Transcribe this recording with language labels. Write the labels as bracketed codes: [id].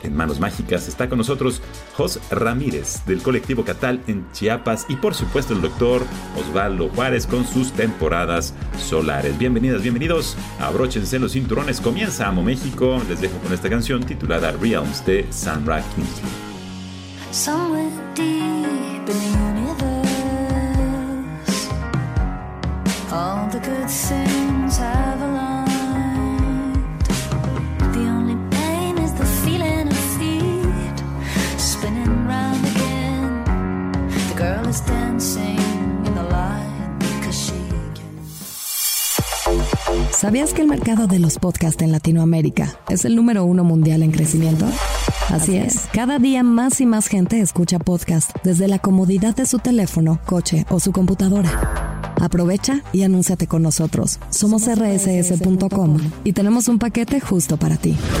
[es] En Manos Mágicas está con nosotros Jos Ramírez del colectivo Catal en Chiapas y, por supuesto, el doctor Osvaldo Juárez con sus temporadas solares. Bienvenidas, bienvenidos, abróchense los cinturones, comienza Amo México. Les dejo con esta canción titulada Realms de Sam Ra Kingsley. [en] Somewhere deep in the universe, all the good things have aligned. The only pain is the feeling of feet spinning round again. The girl is dancing in the light because she can. [es] ¿Sabías que el mercado de los podcasts en Latinoamérica es el número uno mundial en crecimiento? Así es. Cada día más y más gente escucha podcast desde la comodidad de su teléfono, coche o su computadora. Aprovecha y anúnciate con nosotros. Somos rss.com y tenemos un paquete justo para ti.